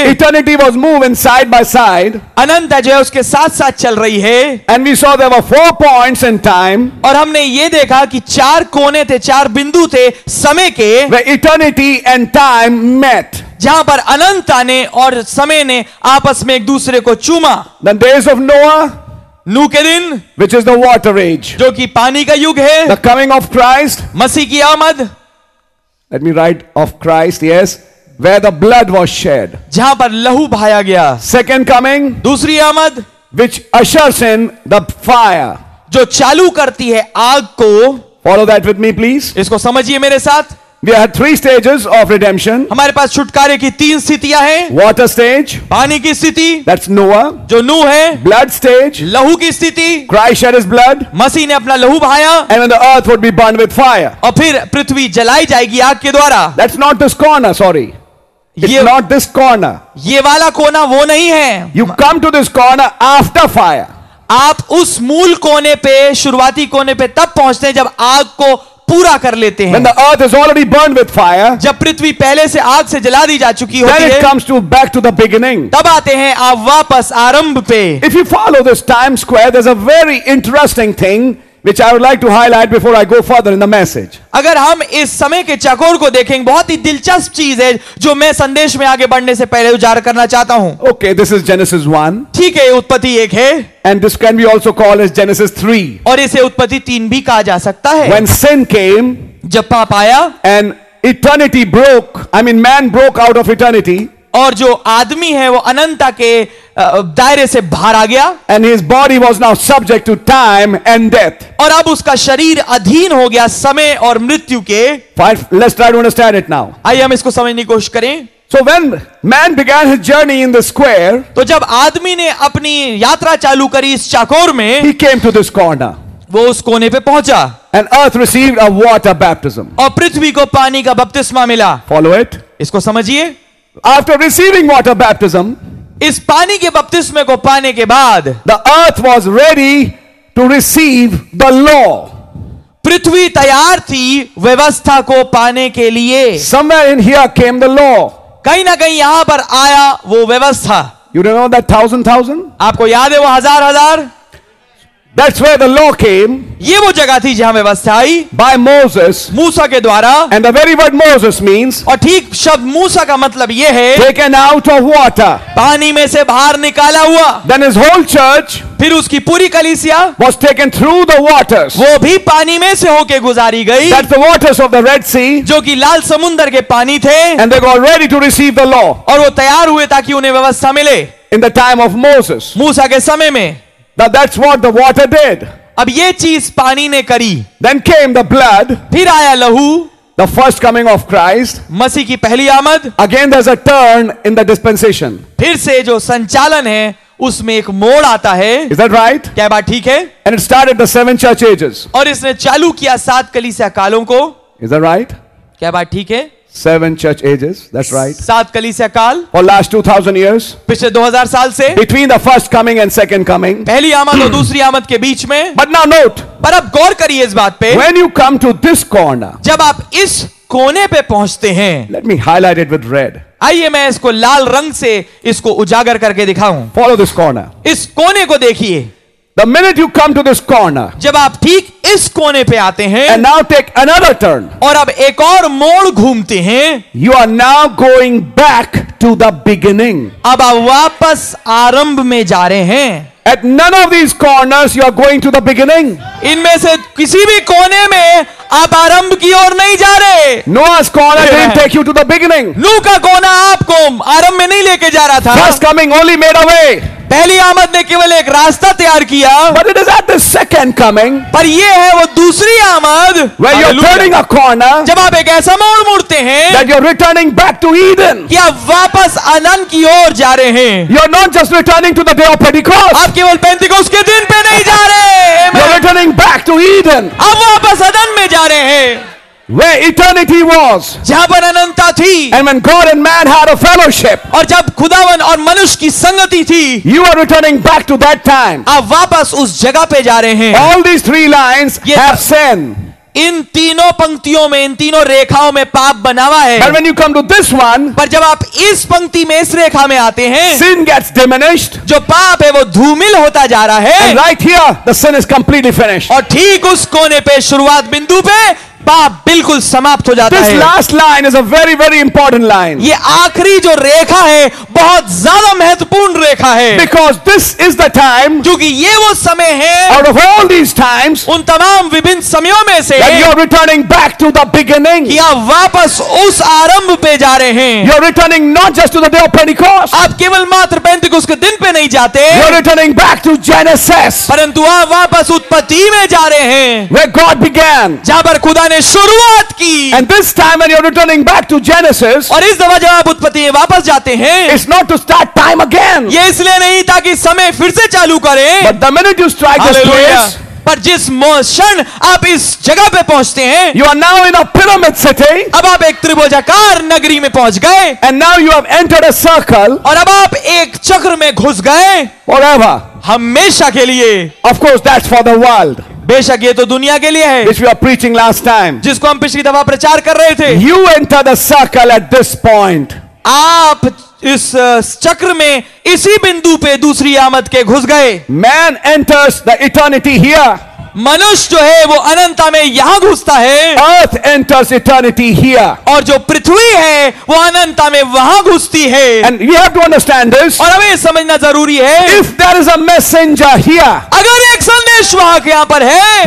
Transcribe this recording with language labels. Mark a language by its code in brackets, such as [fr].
[en] eternity was moving side by side. [hi] अनंत जो है उसके साथ साथ चल रही है. [en] And we saw there were four points in time. [hi] और हमने ये देखा कि चार कोने थे, चार बिंदु थे समय के. [en] Where eternity and time met. [hi] जहां पर अनंतता ने और समय ने आपस में एक दूसरे को चूमा. [en] The days of Noah, [hi] नूह के दिन, [en] which is the water age, [hi] जो कि पानी का युग है. [en] The coming of Christ, [hi] मसीह की आमद. [en] Let me write of Christ, yes, where the blood was shed, [hi] जहां पर लहू बहाया गया. [en] Second coming, [hi] दूसरी आमद, [en] which ushers in the fire, [hi] जो चालू करती है आग को. [en] Follow that with me, please. [hi] इसको समझिए मेरे साथ. [en] We had three stages of redemption. [hi] हमारे पास छुटकारे की तीन स्थितियां हैं. [en] Water stage, [hi] पानी की स्थिति, [en] that's Noah, [hi] जो नूह है. [en] Blood stage, [hi] लहू की स्थिति, [en] Christ shed his blood, [hi] मसीह ने अपना लहू बहाया. [en] And when the earth would be burned with fire, [hi] और फिर पृथ्वी जलाई जाएगी आग के द्वारा. [en] That's not this corner, sorry. It's not this corner. [hi] ये वाला कोना वो नहीं है. [en] You come to this corner after fire. [hi] आप उस मूल कोने पे, शुरुआती कोने पे तब पहुंचते हैं जब आग को पूरा कर लेते हैं. [en] When the earth is already burned with fire, [hi] जब पृथ्वी पहले से आग से जला दी जा चुकी होती [en] then it [hi] है, [en] comes to back to the beginning. [hi] तब आते हैं आप वापस आरंभ पे. [en] If you follow this time square, there's a very interesting thing which I would like to highlight before I go further in the message. [hi] अगर हम इस समय के चकोर को देखें, बहुत ही दिलचस्प चीज है जो मैं संदेश में आगे बढ़ने से पहले उजागर करना चाहता हूं. [en] Okay, this is Genesis 1. [hi] ठीक है, उत्पत्ति एक है. [en] And this can be also called as Genesis 3. [hi] और इसे उत्पत्ति तीन भी कहा जा सकता है. [en] When sin came, [hi] जब पाप आया, [en] and eternity broke, I mean man broke out of eternity, [hi] और जो आदमी है वो अनंतता के दायरे से बाहर आ गया. [en] And his body was now subject to time and death. [hi] और अब उसका शरीर अधीन हो गया समय और मृत्यु के. [en] Fine, let's try to understand it now. [hi] आइए हम इसको समझने की कोशिश करें. [en] So when man began his journey in the square, [hi] तो जब आदमी ने अपनी यात्रा चालू करी इस चाकोर में, [en] he came to this corner. [hi] वो उस कोने पे पहुंचा. [en] And earth received a water baptism. [hi] और पृथ्वी को पानी का बपतिस्मा मिला. [en] Follow it. [hi] इसको समझिए. [en] After receiving water baptism, [hi] इस पानी के बपतिस्मे को पाने के बाद, [en] the earth was ready to receive the law. [hi] पृथ्वी तैयार थी व्यवस्था को पाने के लिए. [en] Somewhere in here came the law. [hi] कहीं ना कहीं यहां पर आया वो व्यवस्था. [en] You don't know that thousand thousand? [hi] आपको याद है वो हजार हजार? [en] That's where the law came. [hi] ये वो जगह थी जहां व्यवस्था आई. [en] By Moses, [hi] मूसा के द्वारा. [en] And the very word Moses means, [hi] और ठीक शब्द मूसा का मतलब ये है, [en] taken out of water, [hi] पानी में से बाहर निकाला हुआ. [en] Then his whole church, [hi] फिर उसकी पूरी कलीसिया, [en] was taken through the waters, [hi] वो भी पानी में से होके गुजारी गई. [en] That's the waters of the Red Sea, [hi] जो कि लाल समुंदर के पानी थे. [en] And they got ready to receive the law, [hi] और वो तैयार हुए ताकि उन्हें व्यवस्था मिले. [en] In the time of Moses, [hi] मूसा के समय में. [en] Now that's what the water did. [hi] अब ये चीज पानी ने करी. [en] Then came the blood. [hi] फिर आया लहू. [en] The first coming of Christ. [hi] मसीह की पहली आमद. [en] Again there's a turn in the dispensation. [hi] फिर से जो संचालन है उसमें एक मोड़ आता है. [en] Is that right? [hi] क्या बात ठीक है? [en] And it started the seven church ages. [hi] और इसने चालू किया सात कलीसिया कालों को. [en] Is that right? [hi] क्या बात ठीक है? [en] Seven church ages, that's right. [hi] सात कलीसिया काल. [en] For last 2000 years, [hi] पिछले 2000 साल से. [en] Between the first coming and second coming, [hi] पहली आमद और दूसरी आमद के बीच में. [en] But now note, [hi] पर अब गौर करिए इस बात पे. [en] When you come to this corner, [hi] जब आप इस कोने पे पहुंचते हैं. [en] Let me highlight it with red. [hi] आइए मैं इसको लाल रंग से इसको उजागर करके दिखाऊं. [en] Follow this corner. [hi] इस कोने को देखिए. [en] The minute you come to this corner, [hi] जब आप ठीक इस कोने पे आते हैं, [en] and now take another turn, [hi] और अब एक और मोड़ घूमते हैं, [en] you are now going back to the beginning. [hi] अब आप वापस आरंभ में जा रहे हैं. [en] At none of these corners you are going to the beginning. [hi] इनमें से किसी भी कोने में आप आरंभ की ओर नहीं जा रहे. [en] Noah's corner didn't take you to the beginning. [hi] नूह का कोना आपको आरंभ में नहीं लेके जा रहा था. [en] First coming only made a way. [hi] पहली आमद ने केवल एक रास्ता तैयार किया. [en] But it is at the second coming, [hi] पर ये है वो दूसरी आमद, [en] where you're turning a corner, [hi] जब आप एक ऐसा मोड़ मुड़ते हैं, [en] that you're returning back to Eden, [hi] कि आप वापस अनंत की ओर जा रहे हैं. [en] You're not just returning to the day of Pentecost, [hi] आप केवल पेंतिकोस्त के दिन पे नहीं जा रहे. [en] You're returning back to Eden, [hi] आप वापस अनंत में जा रहे हैं. [en] Where eternity was, [hi] जहाँ पर अनंतता थी, [en] and when God and man had a fellowship, [hi] और जब खुदावन और मनुष्य की संगति थी, [en] you are returning back to that time, [hi] आप वापस उस जगह पे जा रहे हैं. [en] All these three lines have sin. [hi] इन तीनों पंक्तियों में, इन तीनों रेखाओं में पाप बना हुआ है. [en] But when you come to this one, [hi] पर जब आप इस पंक्ति में, इस रेखा में आते हैं, [en] sin gets diminished, [hi] जो पाप है वो धूमिल होता जा रहा है. [en] And right here, the sin is completely finished. [hi] और ठीक उस कोने पे, शुरुआत बिंदु पे, पाप बिल्कुल समाप्त हो जाता है. [en] This last line is a very, very important line. [hi] ये आखरी जो रेखा है, बहुत ज़्यादा महत्वपूर्ण रेखा है. [en] Because this is the time, [hi] क्योंकि ये वो समय है, [en] out of all these times, [hi] उन तमाम विभिन्न समयों में से, [en] that you're returning back to the beginning, [hi] कि आप वापस उस आरंभ पे जा रहे हैं. [en] You're returning not just to the day of Pentecost, [hi] आप केवल मात्र पेंतिकोस्त के दिन पे नहीं जाते, [en] you're returning back to Genesis, [hi] परंतु आप वापस उत्पत्ति में जा रहे हैं, [en] where God began, [hi] जहां पर खुदा ने शुरुआत की. [en] And this time when you're returning back to Genesis, [hi] और इस दफा जब आप उत्पत्ति में वापस जाते हैं, [en] it's not to start time again, [hi] ये इसलिए नहीं ताकि समय फिर से चालू करें. [en] But the minute you strike this place, [hi] पर जिस क्षण आप इस जगह पे पहुंचते हैं, [en] you are now in a pyramid city, [hi] अब आप एक त्रिभुजाकार नगरी में पहुंच गए. [en] and now you have entered a circle, [hi] और अब आप एक चक्र में घुस गए. [en] forever, [hi] हमेशा के लिए. [en] of course that's for the world, [hi] बेशक ये तो दुनिया के लिए है. [en] Which we are preaching last time, [hi] जिसको हम पिछली दफा प्रचार कर रहे थे. [en] You enter the circle at this point, [hi] आप इस चक्र में इसी बिंदु पे दूसरी आमद के घुस गए. [en] Man enters the eternity here, [hi] मनुष्य जो है वो अनंतता में यहाँ घुसता है. [en] Earth enters eternity here, [hi] और जो पृथ्वी है वो अनंतता में वहां घुसती है. [en] And you have to understand this, [hi] और हमें समझना जरूरी है. [en] If there is a messenger here, [hi] अगर एक संदेश वहां के यहाँ पर है,